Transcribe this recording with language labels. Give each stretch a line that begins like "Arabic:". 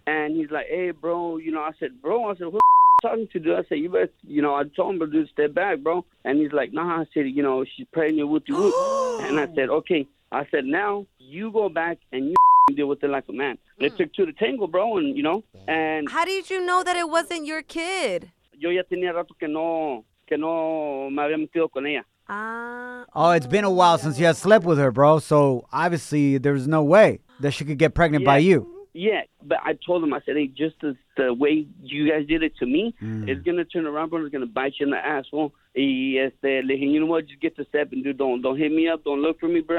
English: And he's like, hey, bro, you know, I said, who the f*** talking to, dude? I said, you better, you know, I told him, bro, dude, step back, bro. And he's like, nah, I said, you know, she's pregnant with you. And I said, okay. I said, now you go back and you deal with it like a man. It took two to tangle, bro, and, you know. And how did you know that it wasn't your kid?
Spanish: Yo ya tenía rato que no me había metido con ella.
English: Oh, it's been a while since you had slept with her, bro. So, obviously, there's no way that she could get pregnant by you. Yeah, but I told him, I said, hey, just the way you guys did it to me, it's going to turn around, bro. It's going to bite you in the asshole.
Spanish: Y este, le dije,
English: you know what? Just get to step and dude, don't hit me up. Don't look for me, bro.